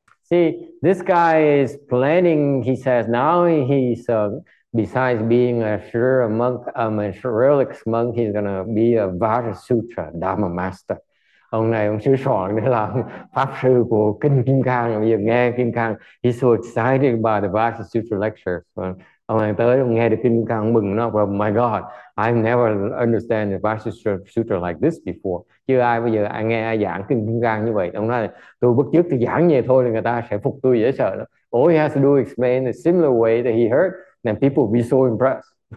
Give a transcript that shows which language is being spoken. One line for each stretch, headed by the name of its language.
English: See, this guy is planning, he says, now he's, besides being a Sutra monk, a relic monk, he's going to be a Vajra Sutra Dharma master.
Vietnamese: Ông này, ông sư soạn để làm pháp sư của Kinh Kim Cang, bây giờ nghe Kim Cang.
English: He's so excited by the Vajra Sutra lecture.
Vietnamese: Ông này tới, ông nghe được Kinh Kim Cang, ông mừng nó.
English: Well, my God, I've never understand the Vajra Sutra like this before.
Vietnamese: Chưa ai bây giờ ai nghe ai giảng Kinh Kim Cang như vậy. Ông nói, tôi bất chức, tôi giảng như vậy thôi, người ta sẽ phục tôi dễ sợ. Đó.
English: All he has to do is explain the similar way that he heard, then people will be so impressed.